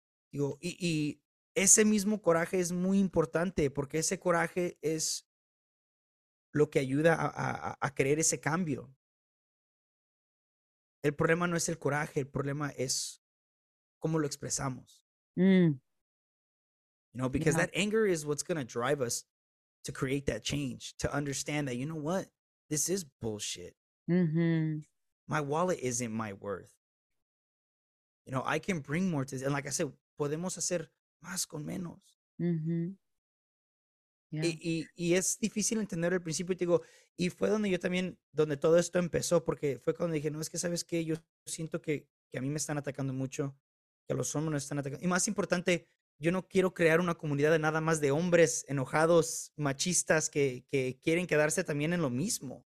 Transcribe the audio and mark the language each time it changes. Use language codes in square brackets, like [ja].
[es] Digo, y ese mismo coraje es muy importante porque ese coraje es lo que ayuda a creer ese cambio. El problema no es el coraje, el problema es cómo lo expresamos. [en] You know, because that anger is what's going to drive us to create that change, to understand that, you know what, this is bullshit. My wallet isn't my worth. You know, I can bring more to this. And like I said, [es] podemos hacer más con menos. Y es difícil entender al principio, y te digo, y fue donde yo también, donde todo esto empezó, porque fue cuando dije, no, es que sabes qué, yo siento que a mí me están atacando mucho, que a los hombres nos están atacando. Y más importante, yo no quiero crear una comunidad de nada más de hombres enojados, machistas, que quieren quedarse también en lo mismo.